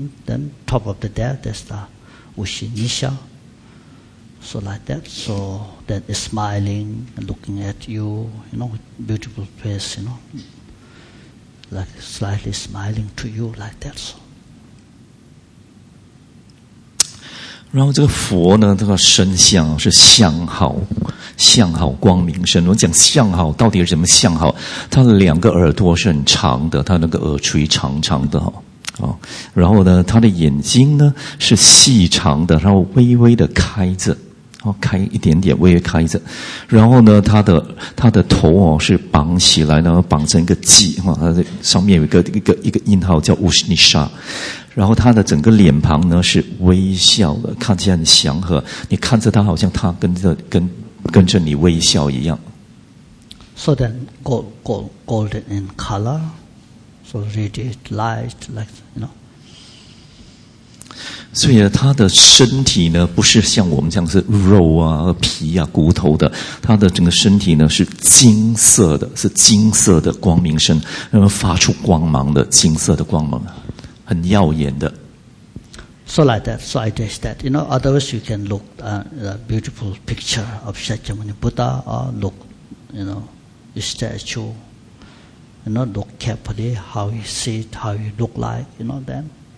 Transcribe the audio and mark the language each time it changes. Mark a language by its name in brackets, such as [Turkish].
[English] Then top of the there, that's the Ushi Nisha. So like that. So then he's smiling, looking at you, you know, beautiful face, you know, like slightly smiling to you like that. So. [Chinese] 然后这个佛呢，这个身相是相好，相好光明身。我讲相好到底是怎么相好？他的两个耳朵是很长的，他那个耳垂长长的哈，然后呢，他的眼睛呢是细长的，然后微微的开着，开一点点，微微开着。然后呢，他的头哦是绑起来，然后绑成一个髻哈，它上面有一个印号叫乌什尼沙。然后他的整个脸庞呢是微笑的，看起来很祥和。你看着他，好像他跟着你微笑一样。 [English] So then, golden in color, so radiant light, like you know. [Chinese] 所以他的身体呢，不是像我们这样是肉啊、皮啊、骨头的，他的整个身体呢是金色的，是金色的光明身，那么发出光芒的金色的光芒。很耀眼的。 [English] So like that, so I guess that, you know, otherwise you can look a beautiful picture of Shakyamuni Buddha or look, you know, statue, you know, look carefully how you sit, how you look like, you know, then.